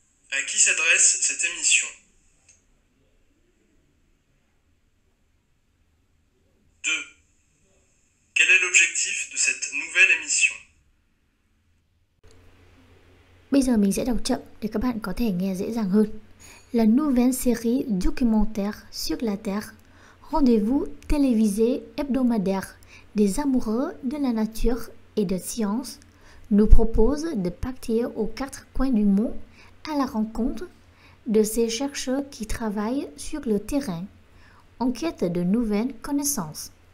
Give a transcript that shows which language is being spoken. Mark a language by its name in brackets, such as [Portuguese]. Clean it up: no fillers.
[French] À qui s'adresse cette émission? 2. Quel est l'objectif de cette nouvelle émission? [Vietnamese] Bây giờ mình sẽ đọc chậm để các bạn có thể nghe dễ dàng hơn. [French] La nouvelle série documentaire sur la Terre, rendez-vous télévisé hebdomadaire des amoureux de la nature et de science, nous propose de partir aux quatre coins du monde à la rencontre de ces chercheurs qui travaillent sur le terrain, en quête de nouvelles connaissances.